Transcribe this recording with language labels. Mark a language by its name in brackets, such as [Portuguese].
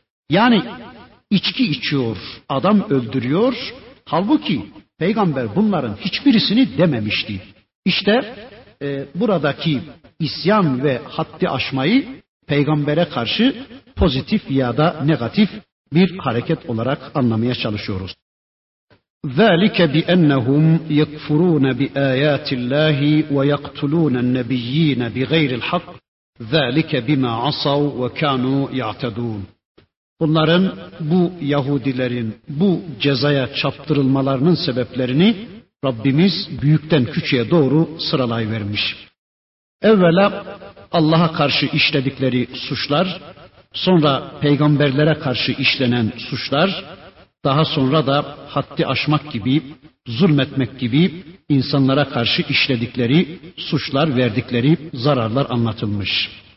[Turkish] Yani içki içiyor, adam öldürüyor. Halbuki peygamber bunların hiçbirisini dememişti. İşte buradaki isyan ve haddi aşmayı peygambere karşı pozitif ya da negatif bir hareket olarak anlamaya çalışıyoruz. [Arabic] ذَٰلِكَ بِأَنَّهُمْ يَكْفُرُونَ بِآيَاتِ اللّٰهِ وَيَقْتُلُونَ النَّبِيِّينَ بِغَيْرِ الْحَقِّ ذَٰلِكَ بِمَا عَصَوْا وَكَانُوا يَعْتَدُونَ [Turkish] Bunların, bu Yahudilerin bu cezaya çarptırılmalarının sebeplerini Rabbimiz büyükten küçüğe doğru sıralayıvermiş. Evvela Allah'a karşı işledikleri suçlar, sonra peygamberlere karşı işlenen suçlar, daha sonra da haddi aşmak gibi, zulmetmek gibi insanlara karşı işledikleri suçlar, verdikleri zararlar anlatılmış.